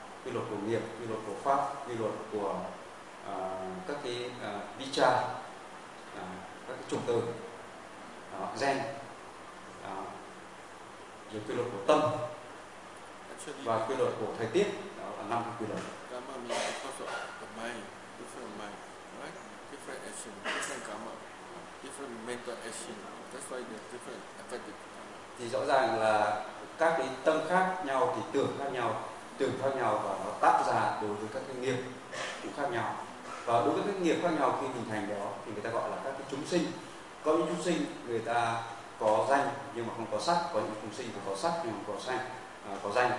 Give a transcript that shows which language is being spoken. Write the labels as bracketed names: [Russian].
[Vietnamese] Quy luật của nghiệp, quy luật của pháp, quy luật của các cái vicha, các cái chủng từ gen, rồi quy luật của tâm và quy luật của thời tiết, đó là năm quy luật. [English] Karma means because of the mind, different mind, right? Different action, different karma, different mental action. That's why they're different affected. [Vietnamese] Thì rõ ràng là các cái tâm khác nhau thì tưởng khác nhau, tưởng khác nhau và nó tác ra đối với các cái nghiệp cũng khác nhau. Và đối với các nghiệp khác nhau khi hình thành đó thì người ta gọi là các cái chúng sinh. Có những chúng sinh người ta có danh nhưng mà không có sắc, có những chúng sinh có sắc nhưng mà có danh, có danh.